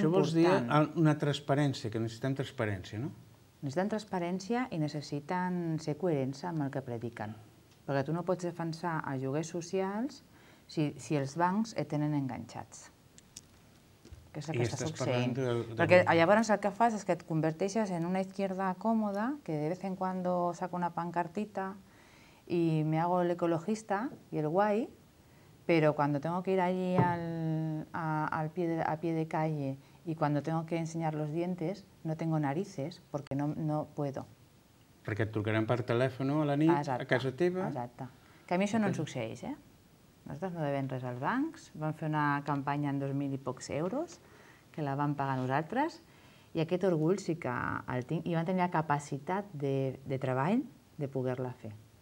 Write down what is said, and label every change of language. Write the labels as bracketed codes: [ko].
[ca] Això vols dir una transparència, que necessitem transparència, no? Necessiten transparència i necessiten ser coherents amb el que prediquen. Perquè tu no pots defensar els lloguers socials si els bancs et tenen enganxats. Que és el que està succeint. Perquè llavors el que fas és que et converteixes en una izquierda còmoda, [es] que de vez en cuando saco una pancartita y me hago el ecologista y el guay, pero cuando tengo que ir allí a pie de calle y cuando tengo que enseñar los dientes, no tengo narices porque no puedo. [ca] Perquè et trucaran per telèfon a la nit, exacte, a casa teva. Exacte. Que a mi això no ens succeeix, eh? Nosaltres no devem res als bancs. Vam fer una campanya amb 2.000 i pocs euros, que la vam pagar nosaltres, i aquest orgull sí que el tinc. I vam tenir la capacitat de treball de poder-la fer.